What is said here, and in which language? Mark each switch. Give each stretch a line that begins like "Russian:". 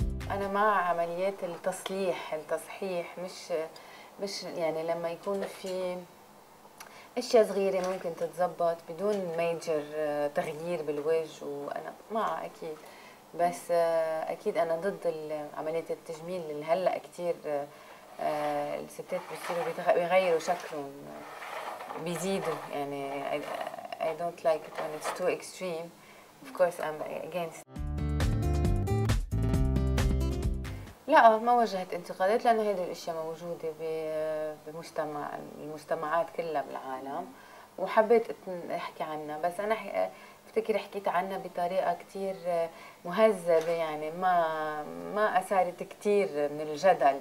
Arabic: أنا مع عمليات التصحيح، مش يعني لما يكون في أشياء صغيرة ممكن تتظبط بدون ميجر تغيير بالوجه، وأنا مع أكيد، بس أكيد أنا ضد عمليات التجميل اللي هلأ كتير الستات بيصيروا بيغيروا شكلهم، بيزيدوا يعني.
English: I don't like it when it's too extreme. Of course I'm against.
Arabic: لا، ما وجهت انتقادات لأنه هذه الأشياء موجودة المجتمعات كلها بالعالم، وحبيت أحكي عنها، بس أنا بفتكر حكيت عنها بطريقة كتير مهذبة، يعني ما أثارت كتير من الجدل.